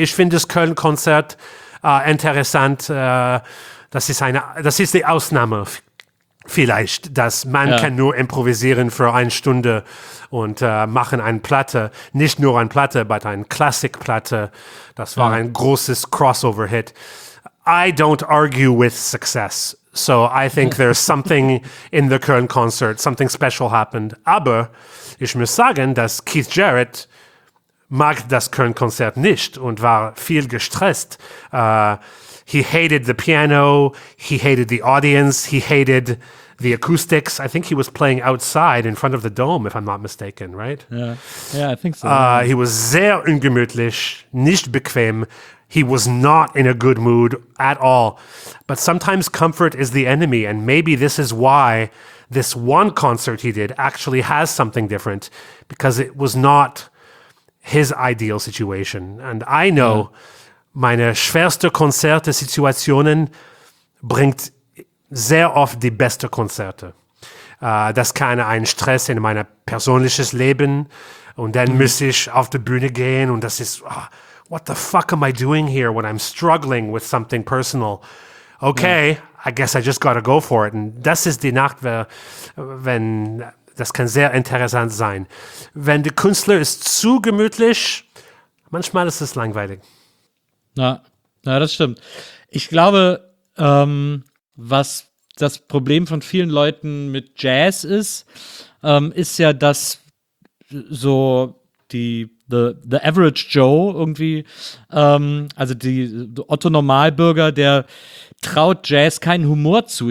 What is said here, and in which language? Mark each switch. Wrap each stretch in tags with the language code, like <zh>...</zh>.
<de>Ich finde das Köln-Konzert interessant. Das ist die Ausnahme vielleicht, dass man kann nur improvisieren für eine Stunde und machen eine Platte. Nicht nur eine Platte, aber eine Klassik-Platte. Das war ein großes Crossover-Hit.</de> <en>I don't argue with success. So I think there's something in the Köln concert, something special happened.</en> <de>Aber ich muss sagen, dass Keith Jarrett mag das Köln concert nicht und war viel gestresst.</de> <en>He hated the piano, he hated the audience, he hated the acoustics. I think he was playing outside in front of the dome, if I'm not mistaken, right? Yeah, I think so. He was</en> <de>sehr ungemütlich, nicht bequem.</de> <en>He was not in a good mood at all. But sometimes comfort is the enemy, and maybe this is why this one concert he did actually has something different, because it was not his ideal situation. And I know</en> <de>meine schwerste Konzerte-Situationen bringt sehr oft die beste Konzerte. Das kann ein Stress in meinem persönliches Leben, und dann muss ich auf die Bühne gehen, und das ist...</de> <en>Oh, what the fuck am I doing here when I'm struggling with something personal? Okay, I guess I just gotta go for it. And</en> <de>das ist die Nacht, wenn das kann sehr interessant sein. Wenn der Künstler ist zu gemütlich, manchmal ist es langweilig. Na, das stimmt. Ich glaube, was das Problem von vielen Leuten mit Jazz ist, ist ja, dass so die</de> <en>the average Joe</en> <de>irgendwie, also die Otto Normalbürger, der traut Jazz keinen Humor zu.</de>